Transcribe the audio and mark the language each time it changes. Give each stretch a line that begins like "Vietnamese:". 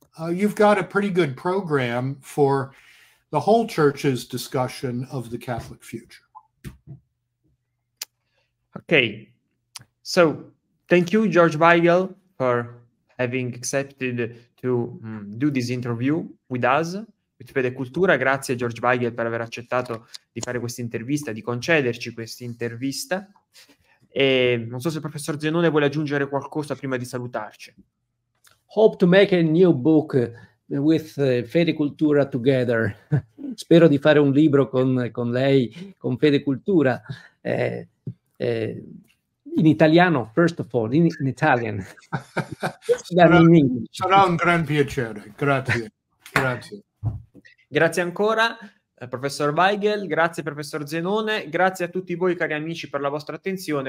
English: You've got a pretty good program for the whole church's discussion of the Catholic future. Okay. So thank you, George Weigel, for having accepted to do this interview with us, with Fede Cultura.
Italian: Grazie, George Weigel, per aver accettato di fare questa intervista, di concederci questa intervista. E non so se il professor Zenone vuole aggiungere qualcosa prima di salutarci.
English: Hope to make a new book with Fede Cultura together.
Italian: Spero di fare un libro con lei, con Fede Cultura, in italiano,
English: first of all, in Italian.
Italian: Sarà un gran piacere, grazie. Grazie, grazie ancora, professor Weigel, grazie professor Zenone, grazie a tutti voi cari amici per la vostra attenzione.